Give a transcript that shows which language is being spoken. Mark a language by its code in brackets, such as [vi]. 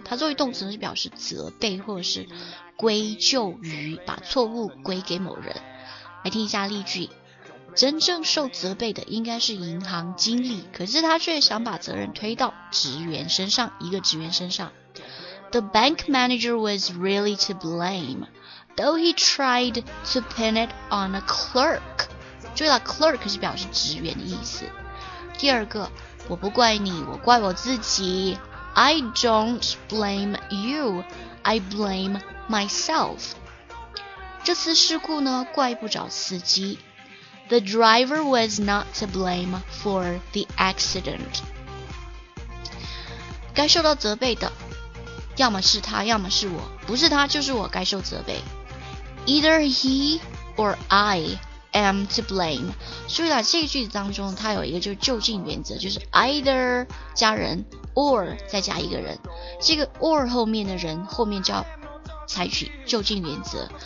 [zh] 它作为动词是表示责备或者是归咎于，把错误归给某人。来听一下例句，真正受责备的应该是银行经理，可是他却想把责任推到职员身上，一个职员身上。 [en] The bank manager was really to blame, though he tried to pin it on a clerk. [zh] 注意了， clerk 是表示职员的意思。第二个，我不怪你，我怪我自己。 [en] I don't blame you, I blameMyself. [zh] 这次事故呢，怪不着司机。 [en] The driver was not to blame for the accident. [zh] 该受到责备的，要么是他，要么是我，不是他就是我该受责备。 [en] Either he or I am to blame. [zh] 所以在这个句子当中，它有一个就是就近原则，就是 either 加人 or 再加一个人，这个 or 后面的人后面叫采取就近原则。